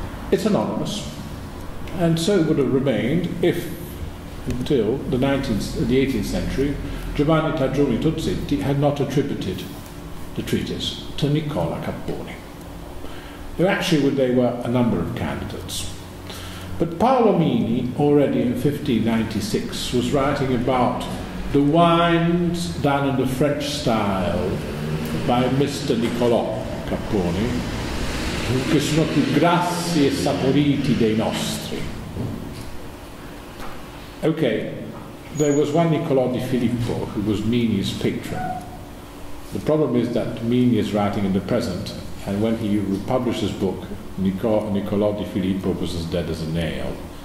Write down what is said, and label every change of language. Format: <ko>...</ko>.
<en>It's anonymous, and so it would have remained if, until the 18th century, Giovanni Taggioni Tozzetti had not attributed the treatise to Niccola Capponi. There actually were a number of candidates. But Paolo Mini, already in 1596, was writing about the wines done in the French style by Mr.</en> <it>Niccolò Capponi, che sono più grassi e saporiti dei nostri.</it> <en>Okay, there was one Niccolò di Filippo, who was Mini's patron. The problem is that Mini is writing in the present, and when he published his book, Niccolò di Filippo was as dead as a nail.</en>